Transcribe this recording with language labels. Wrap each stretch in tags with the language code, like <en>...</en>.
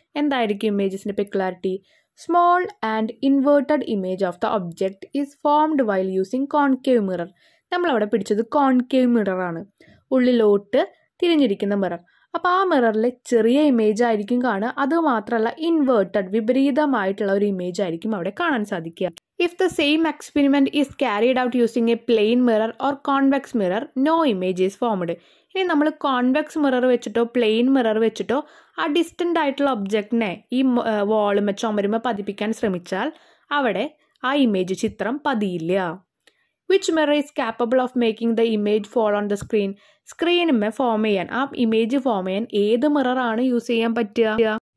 <ml>എന്തായിരിക്കും ഇമേജസിൻ്റെ pic clarity?</ml> <en>Small and inverted image of the object is formed while using concave mirror.</en> <ml>നമ്മളവിടെ പിടിച്ചത് concave മിററാണ്, ഉള്ളിലോട്ട് തിരിഞ്ഞിരിക്കുന്ന mirror. അപ്പോൾ ആ മിററിൽ ചെറിയ ഇമേജ് ആയിരിക്കും കാണുക, അതുമാത്രമല്ല ഇൻവേർട്ടഡ് വിപരീതമായിട്ടുള്ള ഒരു ഇമേജ് ആയിരിക്കും അവിടെ കാണാൻ സാധിക്കുക.</ml> <en>If the same experiment is carried out using a plain mirror or convex mirror, no image is formed.</en> <ml>ഇനി നമ്മൾ കോൺവെക്സ് മിറർ വെച്ചിട്ടോ പ്ലെയിൻ മിറർ വെച്ചിട്ടോ ആ ഡിസ്റ്റൻ്റ് ആയിട്ടുള്ള ഒബ്ജക്റ്റിനെ ഈ വോളുമ ചുമരുമ പതിപ്പിക്കാൻ ശ്രമിച്ചാൽ അവിടെ ആ ഇമേജ് ചിത്രം പതിയില്ല.</ml> <en>Which mirror is capable of making the image fall on the screen?</en> <ml>സ്ക്രീനുമേ form ചെയ്യാൻ, ആ ഇമേജ് ഫോം ചെയ്യാൻ ഏത് മിററാണ് യൂസ് ചെയ്യാൻ പറ്റുക?</ml>